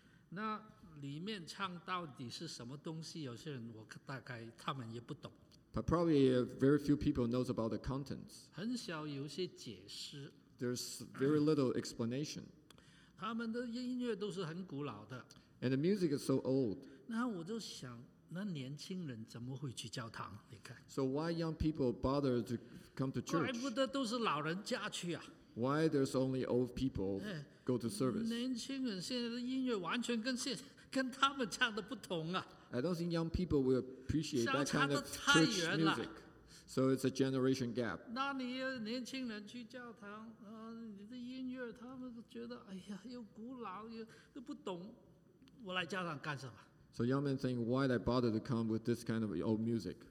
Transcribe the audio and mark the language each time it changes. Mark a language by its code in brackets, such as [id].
[zh] 那里面唱到底是什么东西？有些人我大概他们也不懂。 [en] But probably very few people knows about the contents. [zh] 很少有些解释。 [en] There's very little explanation. [zh] 他们的音乐都是很古老的。 [en] And the music is so old. [zh] 那我就想，那年轻人怎么会去教堂？你看。 [en] So why young people bother to come to church? [zh] 怪不得都是老人家去啊。 [en] Why there's only old people go to service? [zh] 年轻人现在的音乐完全跟他们唱的不同啊。 [en] I don't think young people will appreciate that kind of church music. So it's a generation gap. [zh] 那你年轻人去教堂，你的音乐他们觉得，哎呀，又古老又都不懂，我来教堂干什么？ [en] So young men think, why did I bother to come with this kind of old music?